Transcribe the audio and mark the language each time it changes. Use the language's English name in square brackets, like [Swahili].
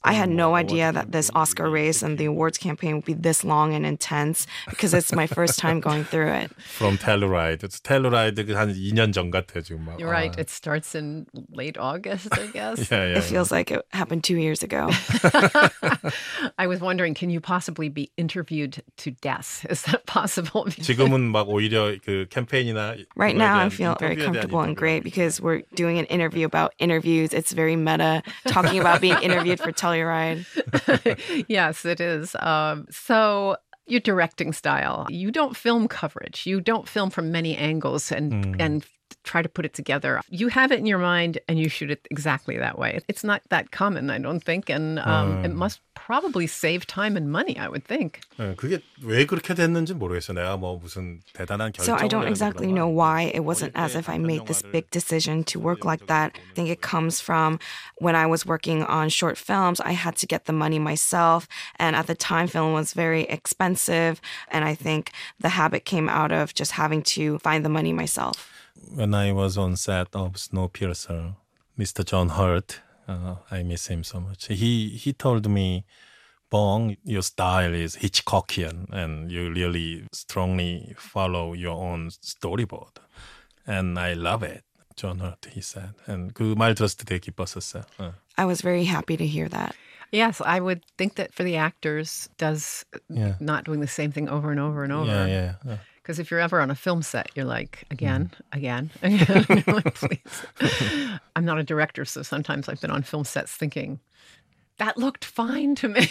[English] I had no idea that this Oscar race and the awards campaign would be this long and intense because it's my first time going through it. From Telluride. It's Telluride [Korean] 한 2년 전 같아, 지금 막. [English] You're right. It starts in late August, I guess. Yeah. It feels like it happened 2 years ago. I was wondering, can you possibly be interviewed to death? Is that possible? [Korean] 지금은 막 오히려 그 캠페인이나 [English] Right now, I feel very comfortable and great because we're doing an interview about interviews. It's very meta, talking about being interviewed for Telluride. Yes, it is. So your directing style, you don't film coverage. You don't film from many angles and try to put it together. You have it in your mind and you shoot it exactly that way. It's not that common, I don't think. And it must probably save time and money, I would think. [Korean] 그게 왜 그렇게 됐는지 모르겠어요. 내가 뭐 무슨 대단한 결정. [English] So I don't exactly know why it wasn't as if I made this big decision to work like that. I think it comes from when I was working on short films, I had to get the money myself. And at the time, film was very expensive. And I think the habit came out of just having to find the money myself. When I was on set of Snowpiercer, Mr. John Hurt, I miss him so much. He told me, Bong, your style is Hitchcockian and you really strongly follow your own storyboard. and I love it, John Hurt, he said. And [Korean] 그 말 들었을 때 되게 기뻤었어요. [English] I was very happy to hear that. Yes, I would think that for the actors, not doing the same thing over and over and over. Yeah. Because if you're ever on a film set, you're like, again, you're like, please. I'm not a director, so sometimes I've been on film sets thinking, that looked fine to me.